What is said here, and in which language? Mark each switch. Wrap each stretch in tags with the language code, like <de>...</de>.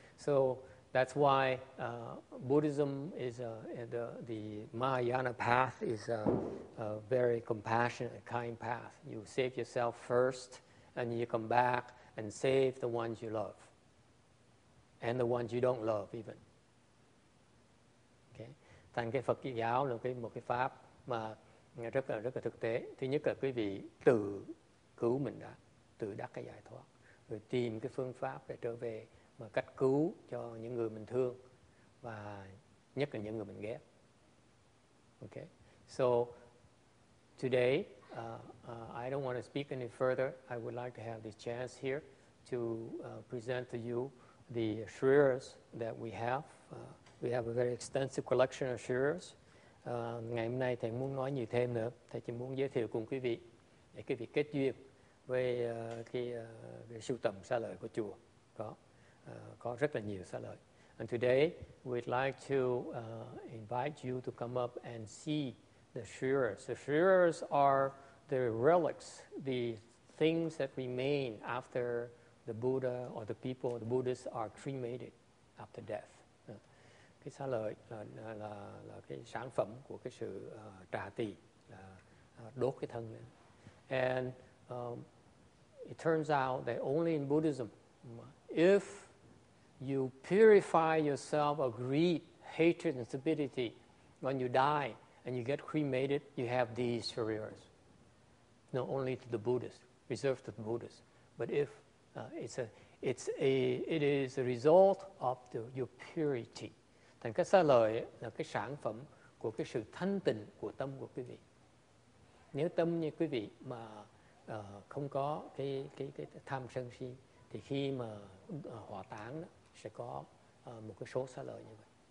<en>So that's why Buddhism is the Mahayana path is a very compassionate and kind path. You save yourself first, and you come back and save the ones you love, and the ones you don't love even.</en> <vi>Okay, thành cái Phật giáo là một cái pháp mà rất là thực tế. Thứ nhất là quý vị tự cứu mình đã. Tự đắc cái giải thoát, rồi tìm cái phương pháp để trở về mà cách cứu cho những người mình thương và nhất là những người mình ghét.</vi> <en>Okay, so today I don't want to speak any further. I would like to have this chance here to present to you the shriras that we have. We have a very extensive collection of shriras.</en> <vi>Ngày hôm nay thầy muốn nói nhiều thêm nữa, thầy chỉ muốn giới thiệu cùng quý vị để quý vị kết duyên về cái sưu tầm xá lợi của chùa, có rất là nhiều xá lợi.</vi> <en>And today we'd like to invite you to come up and see the shriras. The shriras are the relics, the things that remain after the Buddha or the people, the Buddhists are cremated after death.</en> <vi>Cái xá lợi là cái sản phẩm của cái sự trà tỳ, là đốt cái thân lên.</vi> <en>And it turns out that only in Buddhism, if you purify yourself of greed, hatred, and stupidity, when you die and you get cremated, you have these shriras. Not only to the Buddhists, reserved to the Buddhists, but if it is a result of your purity.</en> <vi>Thành cái xá lợi là cái sản phẩm của cái sự thanh tịnh của tâm của quý vị. Nếu tâm như quý vị mà không có cái tham sân si, thì khi mà hỏa táng đó, sẽ có một cái số xá lợi như vậy.</vi>